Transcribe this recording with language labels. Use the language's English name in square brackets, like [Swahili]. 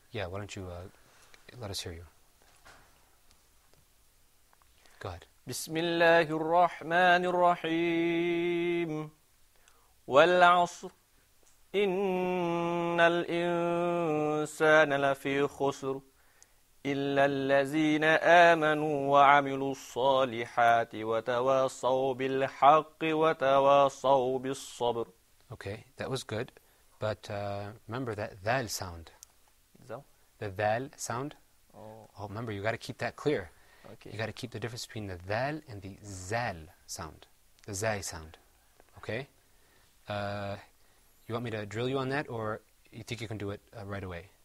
[English] Yeah, why don't you let us hear you. Go ahead. [Arabic] بسم الله الرحمن الرحيم والعصر إن الإنسان لفي خسر إلا الذين آمنوا وعملوا الصالحات وتواصوا بالحق وتواصوا بالصبر. [English] Okay, that was good. But remember that ذال sound. The ذال sound. Oh, remember, you got to keep that clear. Okay. You got to keep the difference between the ذال and the زال sound. The زال sound. Okay? You want me to drill you on that, or you think you can do it right away?